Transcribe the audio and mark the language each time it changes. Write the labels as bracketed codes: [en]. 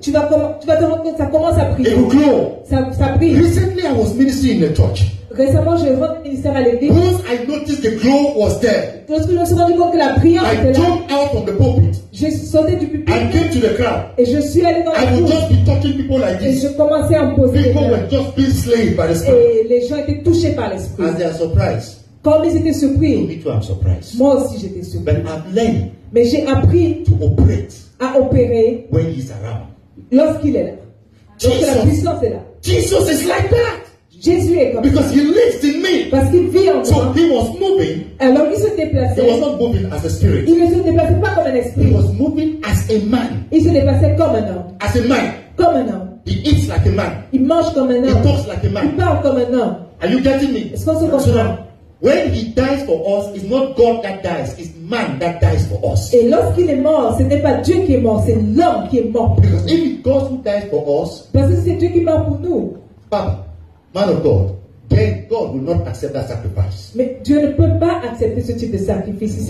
[fr] Tu vas te rendre compte que ça commence à briller. [en] It will grow. [fr] Ça brille. [en] Recently, I was ministering in the church. [fr] Récemment, j'ai rendu ministère à l'église. [en] Once I noticed the glow was there. [fr] Lorsque je me suis rendu compte que la brillance était là. [en] I jumped out of the pulpit. [fr] J'ai sauté du pulpit. [en] I came to the crowd. [fr] Et je suis allé dans la foule. [en] I would just be touching people like this. [fr] Et je commençais à imposer. [en] People were just being slain by the spirit. [fr] Et les gens étaient touchés par l'esprit. [en] As they are surprised. [fr] Comme ils étaient surpris. [en] Me too, I'm surprised. [fr] Moi aussi, j'étais surpris. [en] But I've learned. [fr] Mais j'ai appris. [en] To operate. [fr] À opérer. [en] When he's around. [fr] Lorsqu'il est là. Lorsque la puissance est là. [en] Jesus is like that. [fr] Jésus est comme [en] because [fr] ça. [en] He lives in me. [fr] Parce qu'il vit en moi. [en] So he was moving. [fr] Alors il se déplaçait. [en] He was not moving as a spirit. [fr] Il ne se déplaçait pas comme un esprit. [en] He was moving as a man. [fr] Il se déplaçait comme un homme. [en] As a man. [fr] Comme un homme. [en] He eats like a man. [fr] Il mange comme un homme. [en] He talks like a man. [fr] Il parle comme un homme. [en] Are you getting me? [fr] Est-ce qu'on se comprend? [en] So when he dies for us, it's not God that dies, it's man that dies for us. [fr] Et lorsqu'il est mort, ce n'est pas Dieu qui est mort, c'est l'homme qui est mort. [en] Because if it's God who dies for us, [fr] parce que c'est Dieu qui meurt pour nous. Papa. [en] Man of God, then God will not accept that sacrifice. [fr] Mais Dieu ne peut pas accepter ce type de sacrifice.